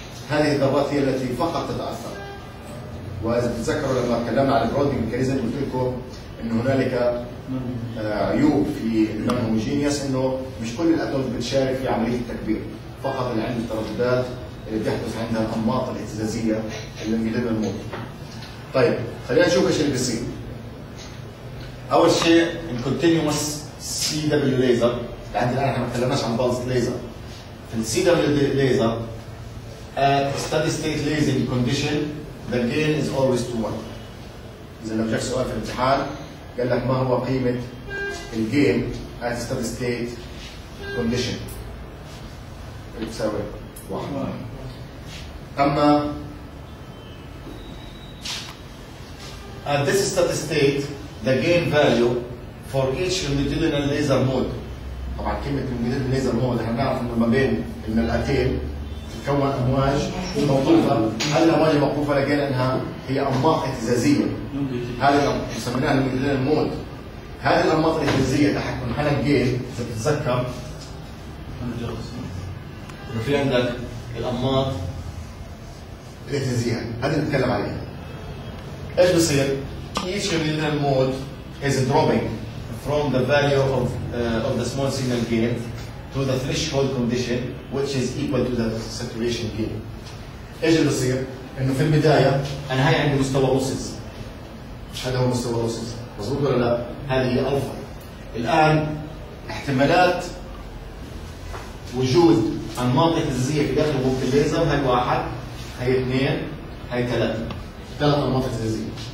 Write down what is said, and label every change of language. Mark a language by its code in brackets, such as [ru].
[ar] هذه الذرات هي التي فقط تتاثر. واذا بتتذكروا لما تكلمنا عن البرودنج ميكانيزم قلت لكم انه هنالك عيوب في النون هوموجينيس، انه مش كل الاتومز بتشارك في عمليه التكبير، فقط اللي عنده الترددات اللي بتحدث عندها الانماط الاهتزازيه اللي بيلم الموت. طيب خلينا نشوف ايش اللي بيصير. اول شيء الكونتينوس سي دبليو ليزر، عندنا الان احنا ما تكلمناش عن بالز ليزر. في السي دبليو ليزر [en] at steady state lasing condition the gain is always 2-1. [ar] اذا لو جاك سؤال في الامتحان قال لك ما هو قيمه الجين [en] at steady state condition [ar] اللي بتساوي 1. اما [en] at this steady state the gain value for each longitudinal laser mode. [ar] طبعا كلمه longitudinal laser mode احنا بنعرف انه ما بين الملقتين تتكون امواج موقوفه، هل الامواج موقوفه لقينا انها هي انماط اهتزازيه. هذا اللي سميناها longitudinal mode. هذه الانماط الاهتزازيه تحت منحنى الجيل اذا بتتذكر. انه في عندك الانماط الاهتزازيه، هذه اللي بنتكلم عليها. ايش بصير؟ [en] Each longitudinal mode is dropping from the value of the small signal gain to the threshold condition which is equal to the saturation gain. [ar] ايش اللي بصير؟ انه في البدايه انا هاي عندي مستوى اوسس. هذا هو مستوى اوسس، مظبوط ولا لا؟ هذه هي الفا. الان احتمالات وجود انماط اهتزازيه في داخل غرفه الليزر هاي واحد، هاي اثنين، هاي ثلاثه. ثلاث انماط اهتزازيه.